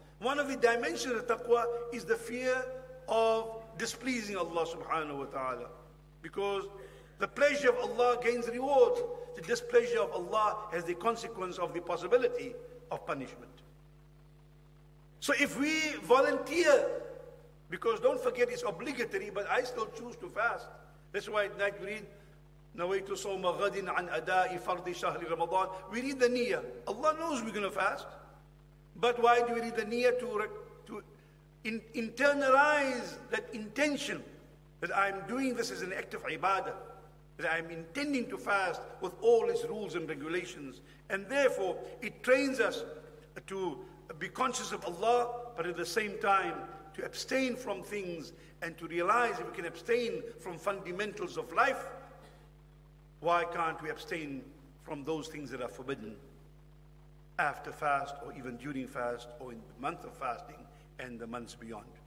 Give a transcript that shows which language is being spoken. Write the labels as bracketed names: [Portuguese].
[English] One of the dimensions of taqwa is the fear of displeasing Allah subhanahu wa ta'ala, because the pleasure of Allah gains reward. The displeasure of Allah has the consequence of the possibility of punishment. So if we volunteer, because don't forget it's obligatory, but I still choose to fast. That's why at night we read, [Arabic] نَوَيْتُ صَوْمَ غَدٍ عَنْ أَدَاءِ فَرْضِ شَهْرِ رَمَضَانِ. [English] We read the niyyah. Allah knows we're going to fast. But why do we read the niyyah? To internalize that intention that I'm doing this as an act of ibadah, that I'm intending to fast with all its rules and regulations. And therefore, it trains us to be conscious of Allah, but at the same time, to abstain from things and to realize if we can abstain from fundamentals of life, why can't we abstain from those things that are forbidden after fast, or even during fast, or in the month of fasting and the months beyond?